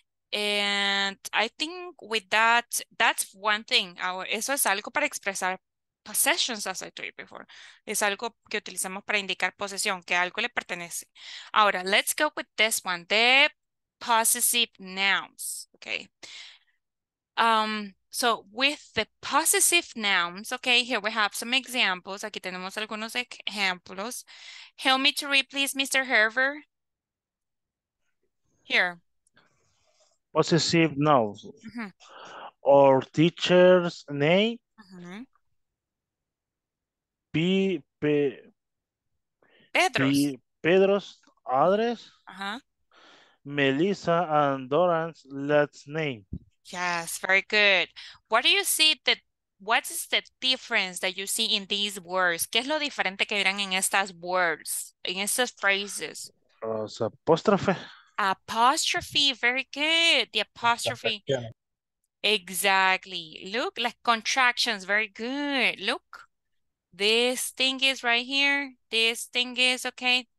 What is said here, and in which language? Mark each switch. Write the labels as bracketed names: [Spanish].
[English] And I think with that, that's one thing. [Spanish] Eso es algo para expresar [English] possessions, as I told you before. [Spanish] Es algo que utilizamos para indicar posesión, que algo le pertenece. [English] Ahora, let's go with this one. The possessive nouns. Okay. So with the possessive nouns, okay, here we have some examples. [Spanish] Aquí tenemos algunos ejemplos. [English] Help me to read, please, [Spanish] Mr. Herver. [English] Here. Possessive nouns. Mm-hmm. Or teacher's name. Mm-hmm. Pedro's address. Uh-huh. Melissa and Doran's last name. Yes, very good. What do you see that? What is the difference that you see in these words? [Spanish] ¿Qué es lo diferente que verán en estas words, en estas phrases? [English] Apostrophe. Apostrophe, very good. The apostrophe. Exactly. Look, like contractions, very good. Look, this thing is right here. This thing is, okay.